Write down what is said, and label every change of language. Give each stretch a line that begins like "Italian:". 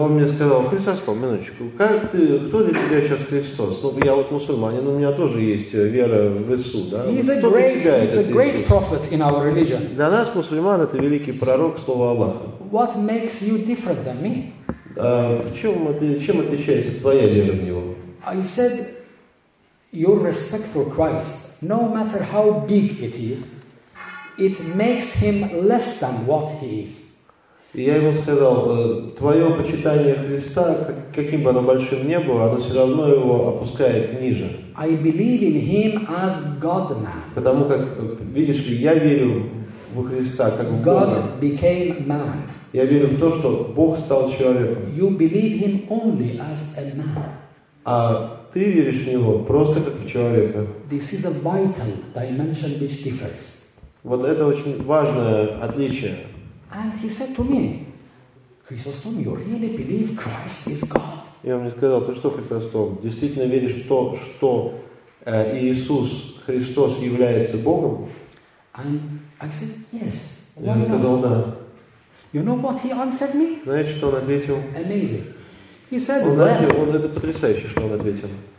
Russian: Он мне сказал, Chrysostom, минуточку, как ты, кто для тебя сейчас Христос? Ну, я вот мусульманин, у меня тоже есть вера в Иисус, да?
English: He's a great prophet in our religion.
Russian: Для нас мусульман это великий пророк слова Аллаха.
English: What makes you different than me?
Russian: Чем отличается твоя вера в него?
English: I said, your respect for Christ, no matter how big it is, it makes him less than what he is.
Russian: И я ему сказал, твое почитание Христа, каким бы оно большим ни было, оно все равно его опускает ниже.
English: I believe in him as God man.
Russian: Потому как, видишь ли, я верю в Христа как в
English: God
Russian: Бога.
English: God became man.
Russian: Я верю в то, что Бог стал человеком.
English: You believe him only as a man.
Russian: А ты веришь в него просто как в человека.
English: This is a vital dimension which differs.
Russian: Вот это очень важное отличие.
English: And he said to me, Chrysostom, you really believe Christ is God?
Russian: И он мне сказал, ты что, Chrysostom, действительно веришь в то, что Иисус Христос является Богом?
English: And I said, yes.
Russian: Я ему сказал, да.
English: You know what he answered me?
Russian: Знаете, что он ответил?
English: Amazing. He said,
Russian: он, знаете, он, это потрясающе, что он ответил.